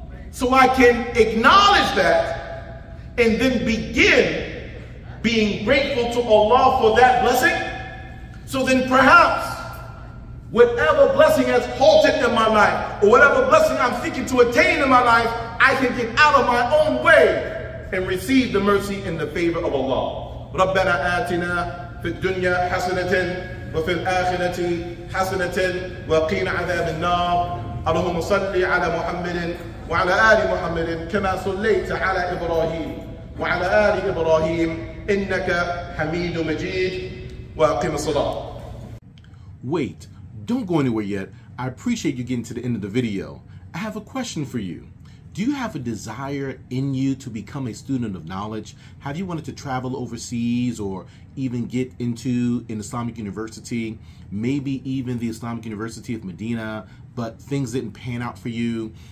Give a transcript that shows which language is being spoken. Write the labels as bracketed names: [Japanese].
[English] So I can acknowledge that and then begin being grateful to Allah for that blessing. So then perhaps whatever blessing has halted in my life, or whatever blessing I'm seeking to attain in my life, I can get out of my own way and receive the mercy and the favor of Allah. [Arabic] رَبَّنَا آتِنَا فِي الدُّنْيَا حَسَنَةً وَفِي الْآخِرَةِ حَسَنَةً وَقِينَ عَذَابِ النَّارِ اللهم صل على محمد وعلى آل محمد كما صليت على إبراهيم وعلى آل إبراهيم إنك حميد مجيد وأقم الصلاة. [English] Wait, don't go anywhere yet. I appreciate you getting to the end of the video. I have a question for you. Do you have a desire in you to become a student of knowledge? Have you wanted to travel overseas or even get into an Islamic university, maybe even the Islamic University of Medina, but things didn't pan out for you?